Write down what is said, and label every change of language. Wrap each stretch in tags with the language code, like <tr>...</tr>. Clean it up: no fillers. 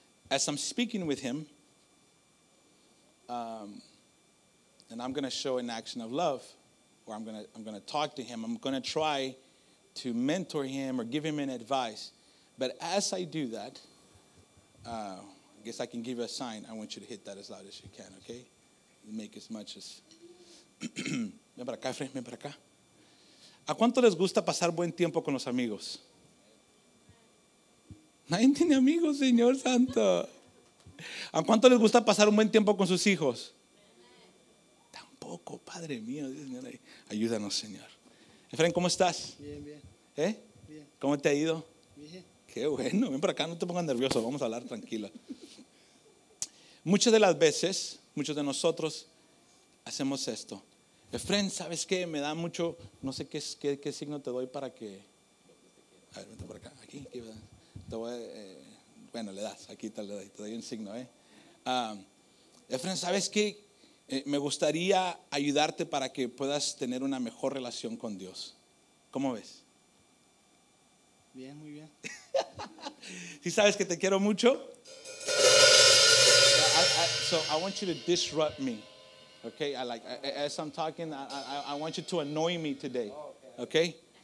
<en>As I'm speaking with him, and I'm going to show an action of love, or I'm going to talk to him. I'm going to try to mentor him or give him an advice. But as I do that, I guess I can give you a sign. I want you to hit that as loud as you can, okay? Make as much as...</en> <es>Ven para acá, Fred, ven para acá. ¿A cuánto les gusta pasar buen tiempo con los amigos? Nadie tiene amigos, Señor Santo. ¿A cuánto les gusta pasar un buen tiempo con sus hijos? Tampoco, Padre mío. Señor, ayúdanos, Señor. Efraín, ¿cómo estás? Bien, bien. ¿Eh? Bien. ¿Cómo te ha ido? Bien. Qué bueno, ven por acá, no te pongas nervioso, vamos a hablar tranquilo. Muchas de las veces, muchos de nosotros hacemos esto. Efraín, ¿sabes qué? Me da mucho, no sé qué signo te doy para que... A ver, vente por acá, aquí, aquí, ¿verdad? Te voy, bueno, le das, aquí te doy un signo, ¿eh? Efraín, ¿sabes qué? Me gustaría ayudarte para que puedas tener una mejor relación con Dios. ¿Cómo ves? Bien, muy bien. ¿Sí sabes que te quiero mucho?</es> <en>So I want you to disrupt me, okay? As I'm talking, I want you to annoy me today, okay?</en>